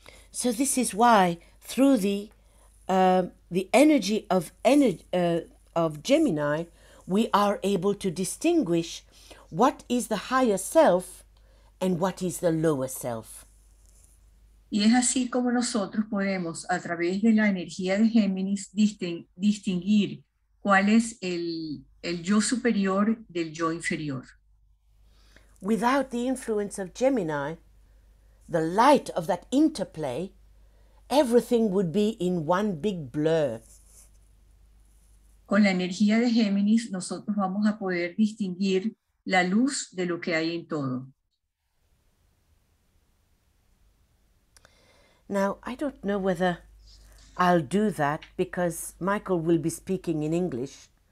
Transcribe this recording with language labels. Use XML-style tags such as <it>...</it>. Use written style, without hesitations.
<en>So this is why through the energy of of Gemini, we are able to distinguish what is the higher self and what is the lower self.</en> <es>Y es así como nosotros podemos, a través de la energía de Géminis, distinguir cuál es el yo superior del yo inferior.</es> <en>Without the influence of Gemini, the light of that interplay, everything would be in one big blur.</en> <es>Con la energía de Géminis, nosotros vamos a poder distinguir la luz de lo que hay en todo.</es> <en>Now, I don't know whether I'll do that because Michael will be speaking in English.</en>